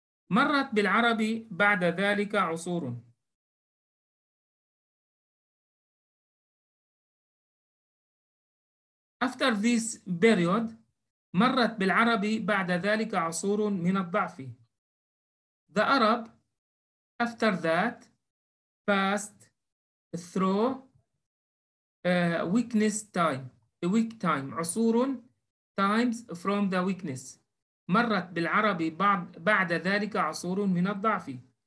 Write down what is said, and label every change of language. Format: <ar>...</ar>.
<ar>مرت بالعربي بعد ذلك عصور</ar> <en>After this period,</en> <ar>مرت بالعربي بعد ذلك عصور من الضعف.</ar> <en>The Arab, after that, passed through weakness time, a weak time, عصور times from the weakness.</en> <ar>مرت بالعربي بعد ذلك عصور من الضعف.</ar>